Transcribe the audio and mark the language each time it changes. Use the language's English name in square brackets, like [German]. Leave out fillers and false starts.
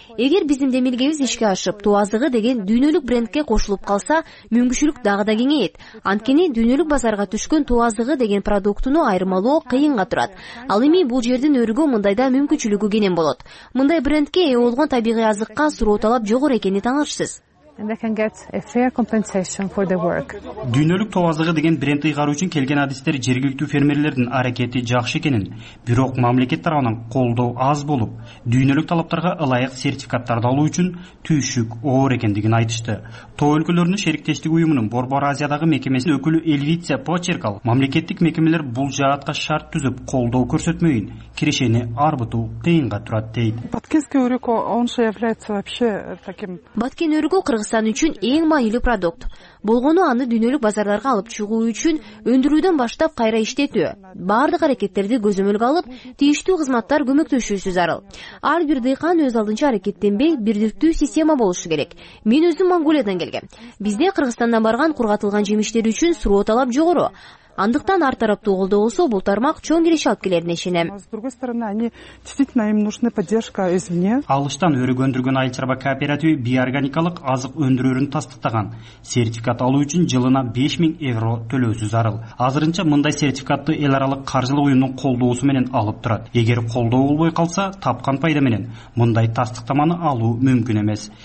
[Kyrgyz] Эгер биздин демилгебиз ишке ашып, тоо азыгы деген дүйнөлүк брендке кошулуп калса, мүмкүнчүлүк дагы да кеңейет. Анткени дүйнөлүк базарга түшкөн тоо азыгы деген продуктуну айырмалоо кыйынга турат. Ал эми бул жердин өрүгү мындай да мүмкүнчүлүгү кенен болот. Мындай брендке ээ болгон табигый азыкка суроо талап жогору экени таңырчы. [English] And they can get a fair compensation for their work. [Kyrgyz] Дүйнөлүк тоо азыгы деген бренд ыйгаруу үчүн келген адистер жергиликтүү фермерлердин аракети жакшы экенин, бирок мамлекет тарабынан колдоо аз болуп, дүйнөлүк талаптарга ылайык сертификаттарды алуу үчүн түйшүк оор экендигин айтышты. Тоо өлкөлөрүнүн шериктештиги уюмунун Борбор Азиядагы мекемесинин өкүлү Эльвиция Почеркал мамлекеттик мекемелер бул жаатка шарт түзүп колдоо көрсөтмөйүн, кирешени арбытуу кыйынга турат дейт. Баткен өрүгү Кыргызстан үчүн эң маанилүү продукт. Болгону аны дүйнөлүк базарларга алып чыгуу үчүн өндүрүүдөн баштап кайра иштетүү, баардык аракеттерди көзөмөлгө алып, тийиштүү кызматтар көмөктөшүүсү зарыл. Ар бир дыйкан өз алдынча аракеттенбей, бирдиктүү система болушу керек. Мен өзүм Монголиядан келгем. Бизде Кыргызстандан барган кургатылган жемиштер үчүн суроо талап жогору. Андыктан ар тараптуу колдоо болсо, бул тармак чоң киреше алып келерин ишенем. [Russian] С другой стороны, они действительно им нужны поддержка извне. [Kyrgyz] Алыштан өрүк өндүргөн айыл чарба кооперативи биоорганикалык азык өндүрүүнү тастыктаган. Сертификат алуу үчүн жылына 5000 евро төлөөсү зарыл. Азырынча мындай сертификатты эл аралык каржылык уюмдун колдоосу менен алып турат. Эгер колдоо болбой калса, тапкан пайда менен мындай тастыктаманы алуу мүмкүн эмес.